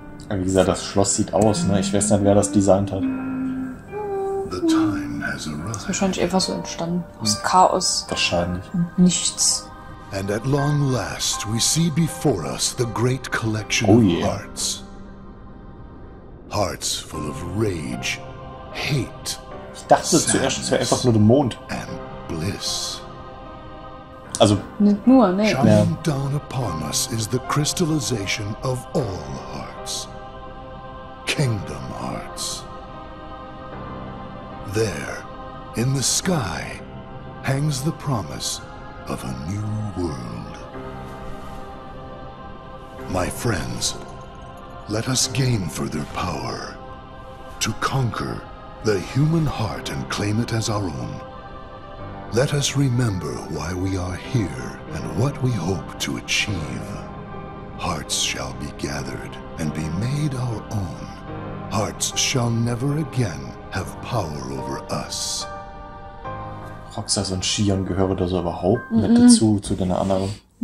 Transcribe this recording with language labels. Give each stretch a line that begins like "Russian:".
German: Wie gesagt, das Schloss sieht aus, ne? Ich weiß nicht, wer das designt hat.
English: The time has arrived.
German: Ist wahrscheinlich einfach so entstanden. Aus Chaos. Wahrscheinlich. Und nichts.
English: And at long last we see before us the great collection of hearts. Hearts full of rage, hate.
German: Ich dachte zuerst, es wäre einfach nur der Mond.
English: And bliss.
German: Also, nicht nur, ne?
English: Shining down upon us is the crystallization of all hearts. Kingdom hearts. There, in the sky, hangs the promise of a new world. My friends, let us gain further power. To conquer the human heart and claim it as our own. Let us remember why we are here and what we hope to achieve. Hearts shall be gathered and be made our own. Hearts shall never again have power over us.
German: Roxas und Xion gehören da so überhaupt nicht dazu, zu den anderen.